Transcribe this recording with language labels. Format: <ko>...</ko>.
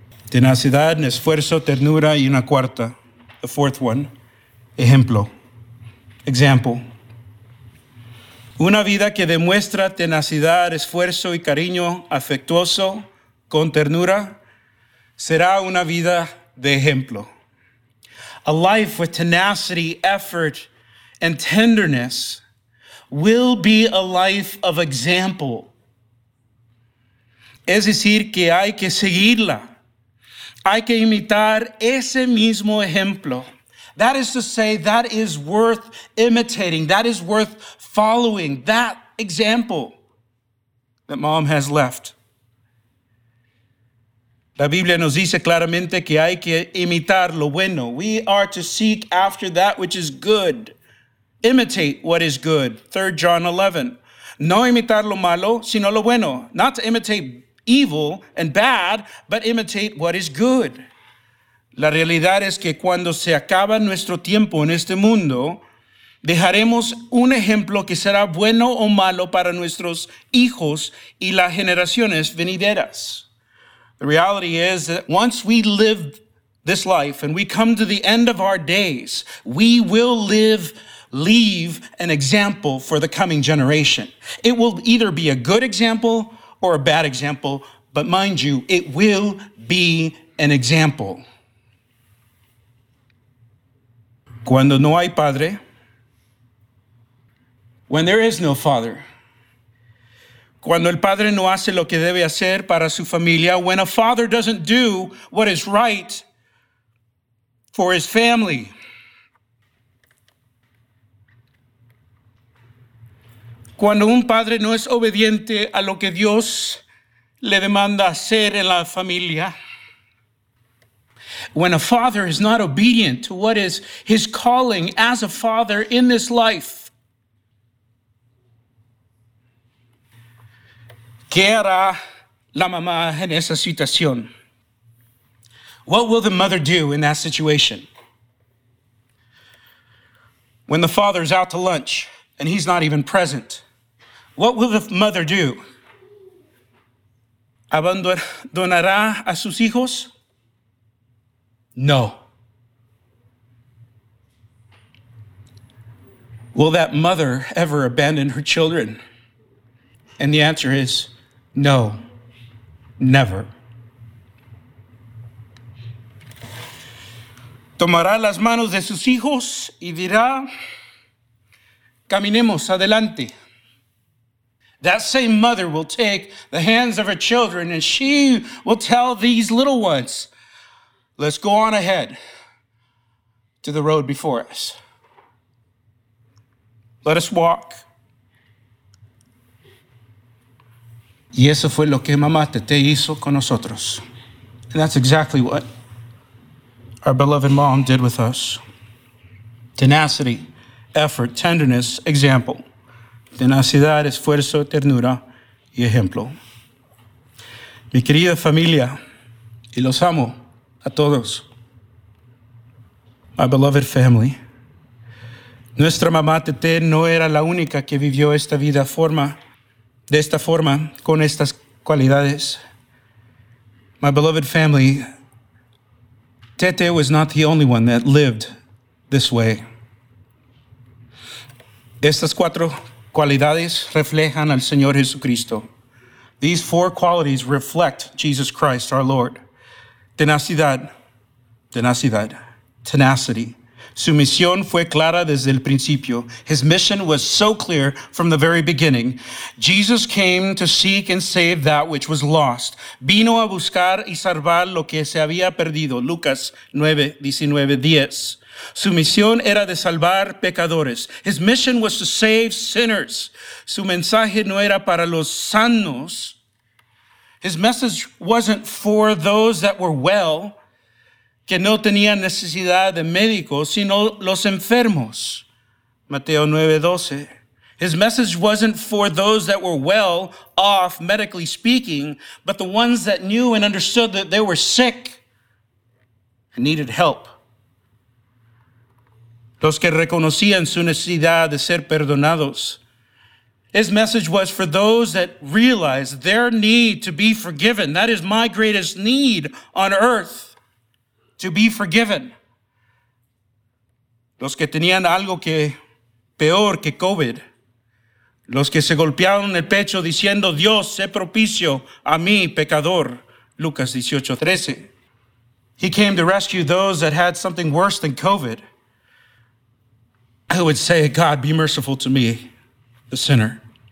<es>Tenacidad, esfuerzo, ternura y una cuarta,</es> <en>the fourth one,</en> <es>ejemplo.</es> <en>Example.</en> <es>Una vida que demuestra tenacidad, esfuerzo y cariño afectuoso con ternura será una vida de ejemplo.</es> <en>A life with tenacity, effort, and tenderness will be a life of example.</en> <es>Es decir, que hay que seguirla. Hay que imitar ese mismo ejemplo.</es> <en>That is to say, that is worth imitating. That is worth following. That example that mom has left.</en> <es>La Biblia nos dice claramente que hay que imitar lo bueno.</es> <en>We are to seek after that which is good. Imitate what is good. 3 John 11.</en> <es>No imitar lo malo, sino lo bueno.</es> <en>Not to imitate evil and bad, but imitate what is good.</en> <es>La realidad es que cuando se acaba nuestro tiempo en este mundo, dejaremos un ejemplo que será bueno o malo para nuestros hijos y las generaciones venideras.</es> <en>The reality is that once we live this life and we come to the end of our days, we will leave an example for the coming generation. It will either be a good example or a bad example, but mind you, it will be an example.</en> <es>Cuando no hay padre,</es> <en>when there is no father,</en> <es>cuando el padre no hace lo que debe hacer para su familia,</es> <en>when a father doesn't do what is right for his family,</en> <es>cuando un padre no es obediente a lo que Dios le demanda hacer en la familia,</es> <en>when a father is not obedient to what is his calling as a father in this life,</en> <es>¿Qué hará la mamá en esa situación?</es> <en>What will the mother do in that situation? When the father's out to lunch and he's not even present, what will the mother do?</en> <es>¿Abandonará a sus hijos? No.</es> <en>Will that mother ever abandon her children? And the answer is no, never.</en> <es>Tomará las manos de sus hijos y dirá, caminemos adelante.</es> <en>That same mother will take the hands of her children and she will tell these little ones, let's go on ahead to the road before us. Let us walk.</en> <es>Y eso fue lo que mamá te hizo con nosotros.</es> <en>And that's exactly what our beloved mom did with us. Tenacity, effort, tenderness, example.</en> <es>Tenacidad, esfuerzo, ternura y ejemplo. Mi querida familia, y los amo a todos.</es> <en>My beloved family.</en> <es>Nuestra mamá Teté no era la única que vivió esta vida de esta forma, con estas cualidades.</es> <en>My beloved family, Teté was not the only one that lived this way.</en> <es>Estas cuatro cualidades reflejan al Señor Jesucristo.</es> <en>These four qualities reflect Jesus Christ, our Lord.</en> <es>Tenacidad, tenacity. Su misión fue clara desde el principio.</es> <en>His mission was so clear from the very beginning. Jesus came to seek and save that which was lost.</en> <es>Vino a buscar y salvar lo que se había perdido. Lucas 9, 19, 10. Su misión era de salvar pecadores.</es> <en>His mission was to save sinners.</en> <es>Su mensaje no era para los sanos.</es> <en>His message wasn't for those that were well,</en> <es>que no tenían necesidad de médicos, sino los enfermos. Mateo 9, 12.</es> <en>His message wasn't for those that were well off, medically speaking, but the ones that knew and understood that they were sick and needed help.</en> <es>Los que reconocían su necesidad de ser perdonados.</es> <en>His message was for those that realized their need to be forgiven. That is my greatest need on earth, to be forgiven.</en> <es>Los que tenían algo que peor que COVID. Los que se golpearon el pecho diciendo, Dios, sé propicio a mí, pecador. Lucas 18, 13.</es> <en>He came to rescue those that had something worse than COVID. Who would say, God, be merciful to me, the sinner.</en>